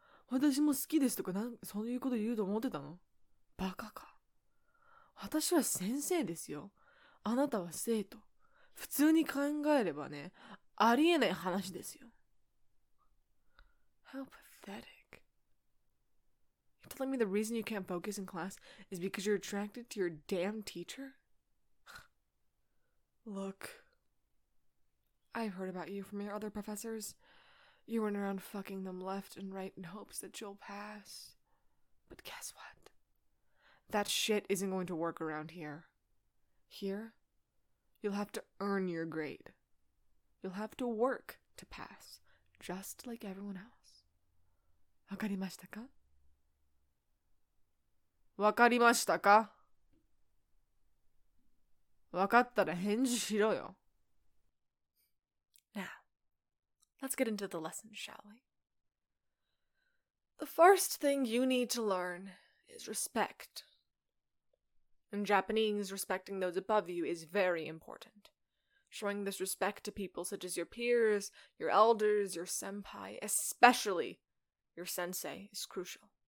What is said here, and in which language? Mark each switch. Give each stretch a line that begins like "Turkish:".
Japanese: 私も好きですとかそういうこと言うと思ってたの?バカか。私は先生ですよ。あなたは生徒。普通に考えればね、ありえない話ですよ。
English: How pathetic. You're telling me the reason you can't focus in class is because you're attracted to your damn teacher? Look, I've heard about you from your other professors. You run around fucking them left and right in hopes that you'll pass. But guess what? That shit isn't going to work around here. Here, you'll have to earn your grade. You'll have to work to pass, just like everyone else.
Japanese: わかりましたか? わかりましたか? わかったら返事しろよ。
English: Now, let's get into the lesson, shall we? The first thing you need to learn is respect. In Japanese, respecting those above you is very important. Showing this respect to people such as your peers, your elders, your senpai, especially your sensei, is crucial.